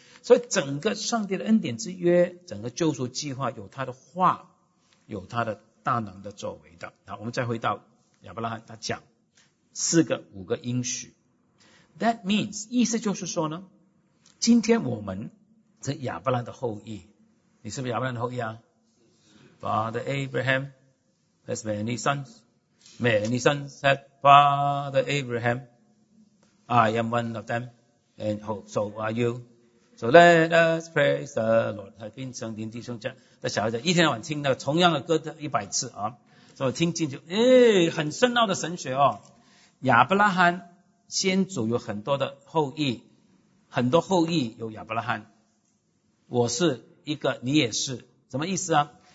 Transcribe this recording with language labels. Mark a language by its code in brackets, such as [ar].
[zh] 所以整个上帝的恩典之约，整个救赎计划，有他的话，有他的大能的作为的。好，我们再回到亚伯拉罕，他讲四个五个应许。 [en] That means [zh] 意思就是说呢，今天我们是亚伯拉罕的后裔。你是不是亚伯拉罕的后裔啊？ [en] Father Abraham has many sons, many sons had Father Abraham, I am one of them, and so are you。 So let us praise the Lord。 [zh] 他变成林弟兄这样的小孩子，一天到晚听那个同样的歌一百次啊，所以听进去，很深奥的神学哦。亚伯拉罕先祖有很多的后裔，很多后裔有亚伯拉罕，我是一个，你也是，什么意思啊？